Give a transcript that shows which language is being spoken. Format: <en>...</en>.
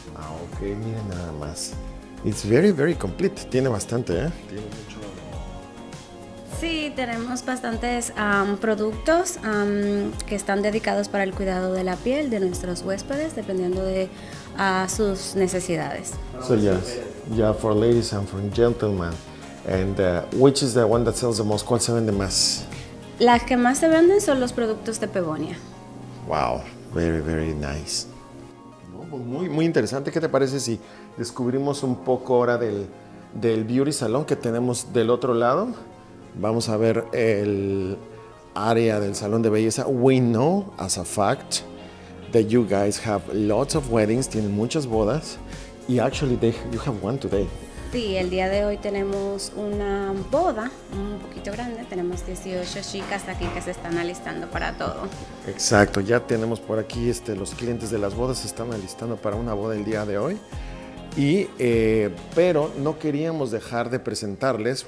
<es>Ah, ok, miren nada más.</es> <en>It's very, very complete.</en> <es>Tiene bastante, ¿eh? Tiene mucho. Sí, tenemos bastantes productos que están dedicados para el cuidado de la piel de nuestros huéspedes, dependiendo de sus necesidades.</es> <en>So yes, yeah, for ladies and for gentlemen. And which is the one that sells the most?</en> <es>¿Cuál se vende más? Las que más se venden son los productos de Pevonia.</es> <en>Wow, very, very nice.</en> <es>Muy, muy interesante. ¿Qué te parece si descubrimos un poco ahora del beauty salón que tenemos del otro lado? Vamos a ver el área del salón de belleza.</es> <en>We know as a fact that you guys have lots of weddings.</en> <es>Tienen muchas bodas. Y</es> <en>actually, you have one today.</en> <es>Sí, el día de hoy tenemos una boda un poquito grande. Tenemos 18 chicas aquí que se están alistando para todo. Exacto, ya tenemos por aquí los clientes de las bodas se están alistando para una boda el día de hoy. Y, pero no queríamos dejar de presentarles.</es>